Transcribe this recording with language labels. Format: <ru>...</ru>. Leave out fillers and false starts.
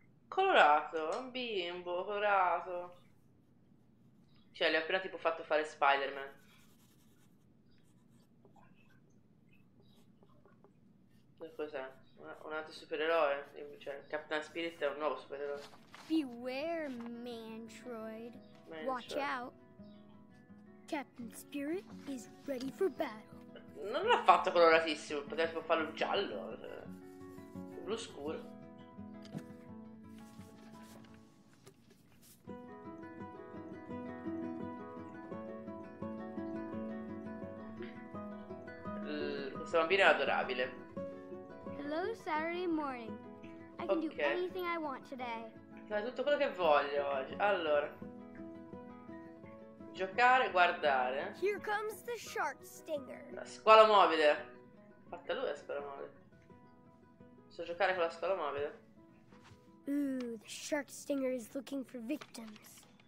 <it>Colorato, un bimbo, colorato. Cioè, gli ho appena tipo fatto fare Spider-Man. Cos'è? Un altro supereroe? Cioè, Captain Spirit è un nuovo supereroe.</it> <en>Beware, Mantroid. Watch out. Captain Spirit is ready for battle.</en> <it>Non l'ha fatto coloratissimo, potrebbe farlo giallo, blu scuro. Questa bambina è adorabile.</it> <en>Hello Saturday morning. I can okay. do anything I want today.</en> <it>Fai tutto quello che voglio oggi. Allora, giocare, guardare.</it> <en>Here comes the shark stinger.</en> <it>La scuola mobile. Fatta lui la scuola mobile. So giocare con la scuola mobile.</it> <en>Ooh, the shark stinger is looking for victims.</en>